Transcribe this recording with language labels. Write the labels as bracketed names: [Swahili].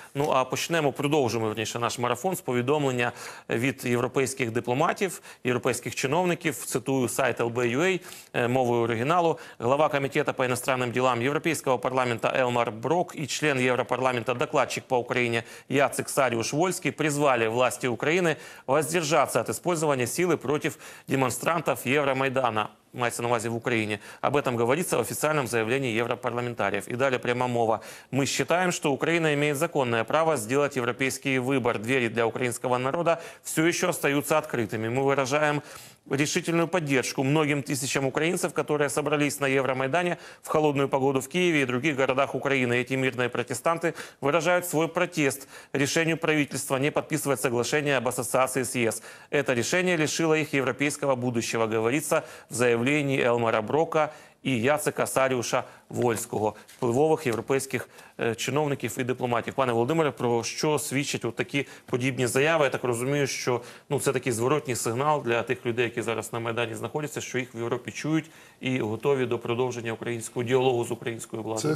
[Ukrainian] Ну, а почнемо, продовжимо, верніше, наш марафон з повідомлення від європейських дипломатів, європейських чиновників, цитую сайт LBUA, мовою оригіналу. Глава комітету по іноземним ділам Європейського парламенту Елмар Брок і член Європарламенту, докладчик по Україні Яцек Саріуш-Вольський призвали власті України [Russian] воздержаться [Ukrainian] від використання сили проти демонстрантів Євромайдану. Мається на увазі в Україні. [Russian] Об этом говорится в официальном заявлении европарламентариев. И далее прямо мова. Мы считаем, что Украина имеет законное право сделать европейский выбор. Двери для украинского народа все еще остаются открытыми. Мы выражаем решительную поддержку многим тысячам украинцев, которые собрались на Евромайдане в холодную погоду в Киеве и других городах Украины. Эти мирные протестанты выражают свой протест решению правительства не подписывать соглашение об ассоциации с ЕС. Это решение лишило их европейского будущего, говорится в заявлении Елмара Брока [Ukrainian] і Яцека Саріуша-Вольського, впливових європейських чиновників і дипломатів. Пане Володимире, про що свідчать такі подібні заяви? Я так розумію, що це такий зворотній сигнал для тих людей, які зараз на Майдані знаходяться, що їх в Європі чують і готові до продовження українського діалогу з українською владою.